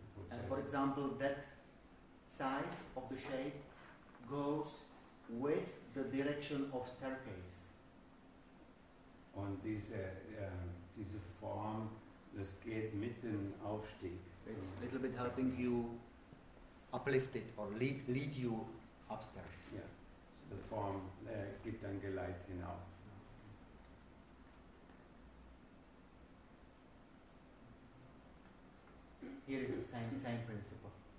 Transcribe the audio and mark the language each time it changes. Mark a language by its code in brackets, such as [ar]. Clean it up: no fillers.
[en] And for example, that size of the shape goes with the direction of staircase. [de] Und diese Form, das geht mit dem Aufstieg. [en] It's a little bit helping you uplift it or lead you upstairs. Yeah, so the form [de] gibt dann Geleit hinauf. [en] Here is the same principle.